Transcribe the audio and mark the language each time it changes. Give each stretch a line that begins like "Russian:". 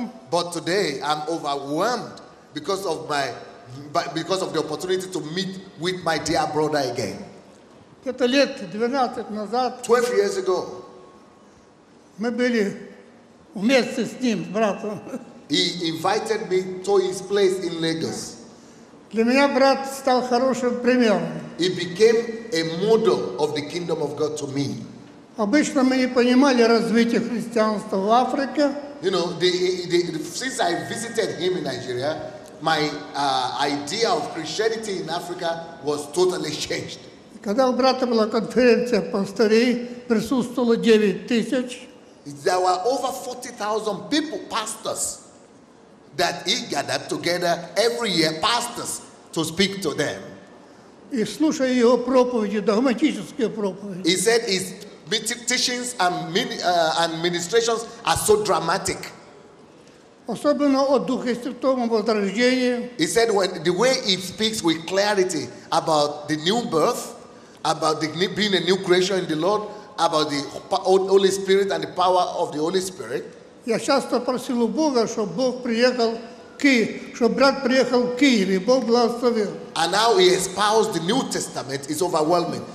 English: But today, I'm overwhelmed because of my because of the opportunity to meet with my dear brother again. 12 years ago,
Russian: мы были вместе с ним, братом.
English: He invited me to his place in Lagos.
Russian: Для меня брат стал хорошим примером.
English: He became a model of the kingdom of God to me.
Russian: Обычно мы не понимали развитие христианства в Африке.
English: You know, since I visited him in Nigeria, my idea of Christianity in Africa was totally changed.
Russian: Когда у брата была конференция пастырей, присутствовало 9000.
English: There were over 40,000 people, pastors, that he gathered together every year, pastors, to speak to them.
Russian: И слушая его проповеди, догматические проповеди.
English: He said his teachings and ministrations are so dramatic.
Russian: Особенно о Духе Святом, о возрождении.
English: He said when the way he speaks with clarity about the new birth, about the being a new creation in the Lord, about the Holy Spirit and the power of the Holy Spirit.
Russian: Я часто просил у Бога, чтобы Бог приехал к Киев, чтобы брат приехал в Киев, и Бог благословил.
English: And how he espoused the New Testament is overwhelming.